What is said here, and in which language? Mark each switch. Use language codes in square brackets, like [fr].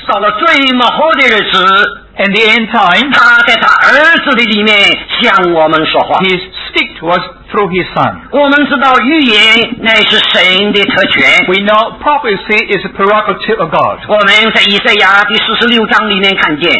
[zh] 到了最末后的日子。 [en] In the end time, [zh] 他在他儿子的里面向我们说话。 [en] He speaks to us through his son. [zh] 我们知道预言乃是神的特权。 [en] We know prophecy is a prerogative of God. [zh] 我们在以赛亚第四十六章里面看见。